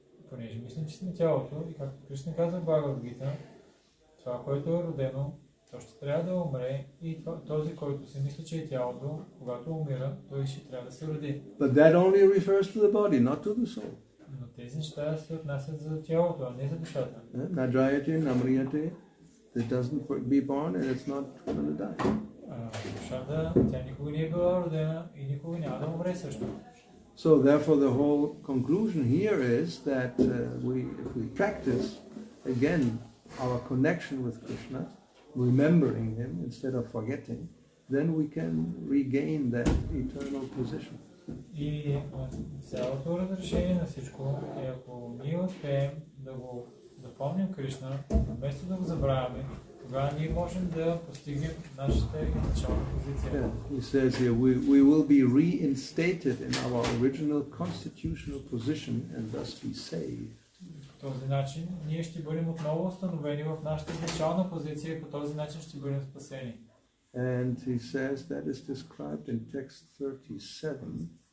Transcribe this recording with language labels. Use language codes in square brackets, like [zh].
[bg] Понеже мислим, че сме тялото, и както Кришна казва в Бхагавад Гита, това, което е родено, то ще трябва да умре, и този, който си мисли, че е тялото, когато умира, той ще трябва да се роди. [en] But that only refers to the body, not to the soul. [bg] Но тези неща се отнасят за тялото, а не за душата. [sa] Наджаяте, намрияте. [en] It doesn't be born and it's not going to die. [bg] Душата, тя никога не е била родена и никога няма да умре също. [en] So therefore the whole conclusion here is that if we practice again our connection with Krishna, remembering him instead of forgetting, then we can regain that eternal position. [bg] И цялото разрешение на всичко е ако ние успеем да го запомним Кришна, вместо да го забравяме, тогава ние можем да постигнем нашата изначална позиция. [en] Yeah. He says here, we will be reinstated in our original constitutional position and thus be saved. [bg] По този начин ние ще бъдем отново установени в нашата изначална позиция и по този начин ще бъдем спасени. [en] And he says that is described in text 37.